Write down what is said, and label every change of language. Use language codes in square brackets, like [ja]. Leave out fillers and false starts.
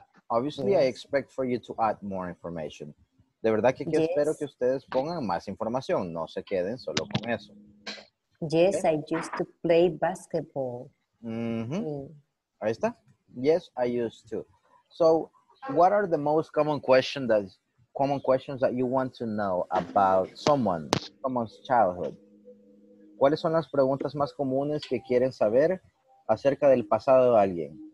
[en] Obviously, yes. I expect for you to add more information. [es] De verdad que espero que ustedes pongan más información. No se queden solo con eso. [en] Yes, okay. I used to play basketball. [es] Ahí está. [en] Yes, I used to. So, what are the most common questions that you want to know about someone's childhood? [es] ¿Cuáles son las preguntas más comunes que quieren saber acerca del pasado de alguien?